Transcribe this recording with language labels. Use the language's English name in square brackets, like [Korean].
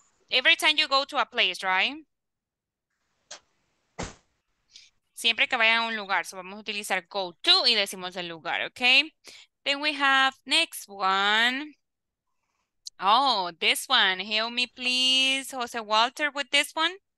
[English] Every time you go to a place, right? [Spanish] Siempre que vayan a un lugar, so vamos a utilizar go to y decimos el lugar, okay? [English] Then we have next one. Oh, this one. Help me please, Jose Walter, with this one.